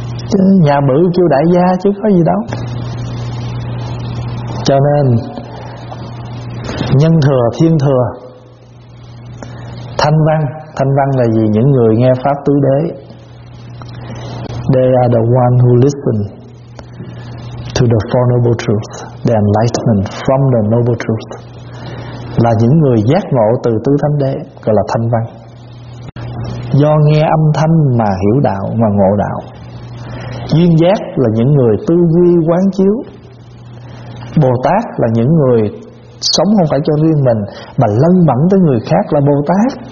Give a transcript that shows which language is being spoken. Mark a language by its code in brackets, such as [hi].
[vi] Chứ nhà bự kêu đại gia chứ có gì đâu. Cho nên nhân thừa, thiên thừa, thanh văn. Thanh văn là gì? Những người nghe pháp tứ đế. [en] They are the one who listen to the four noble truths, the enlightenment from the noble truth. [vi] Là những người giác ngộ từ tứ thánh đế, gọi là thanh văn. Do nghe âm thanh mà hiểu đạo, mà ngộ đạo. Duyên giác là những người tư duy quán chiếu. Bồ Tát là những người sống không phải cho riêng mình mà lân mẫn tới người khác, là Bồ Tát.